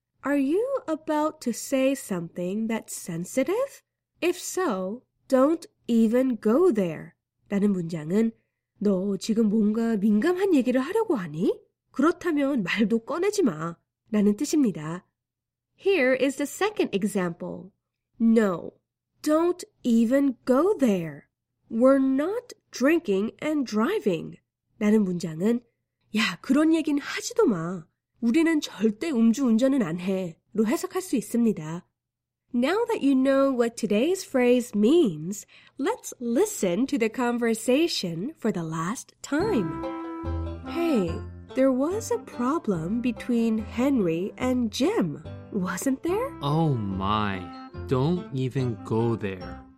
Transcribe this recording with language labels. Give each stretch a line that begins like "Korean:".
English: Are you about to say something that's sensitive? If so, don't even go there.
Korean: 라는 문장은 너 지금 뭔가 민감한 얘기를 하려고 하니? 그렇다면 말도 꺼내지 마. 라는 뜻입니다.
English: Here is the second example. No, don't even go there. We're not drinking and driving.
Korean: 라는 문장은 야, 그런 얘긴 하지도 마. 우리는 절대 음주운전은 안 해로 해석할 수 있습니다.
English: Now that you know what today's phrase means, let's listen to the conversation for the last time. Hey, there was a problem between Henry and Jim, wasn't there? Oh my, don't even go there.